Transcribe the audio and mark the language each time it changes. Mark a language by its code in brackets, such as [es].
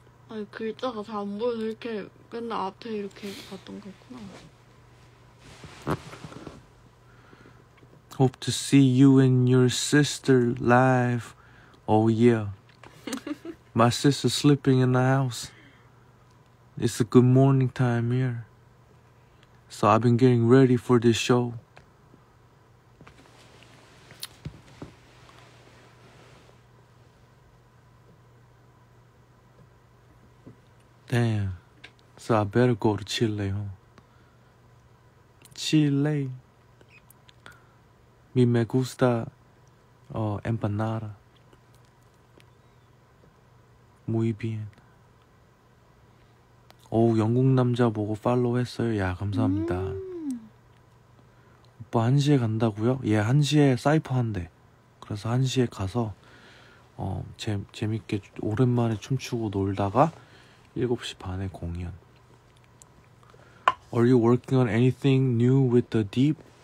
[ko] 아니, 글자가 잘 안 보여서 이렇게 맨날 앞에 이렇게 봤던 거구나. [en] Hope to see you and your sister live. Oh yeah. My sister sleeping in the house. It's a good morning time here. So I've been getting ready for this show. Damn. So I better go to Chile, huh? Chile. [es] Mi me gusta empanada. Muy bien. [ko] 오, 영국 남자 보고 팔로우했어요. 야, 감사합니다. 오빠 1시에 간다고요? 예, 1시에 사이퍼 한대. 그래서 1시에 가서 재밌게 오랜만에 춤추고 놀다가 7시 반에 공연. [en] Are you working on anything new with the deep?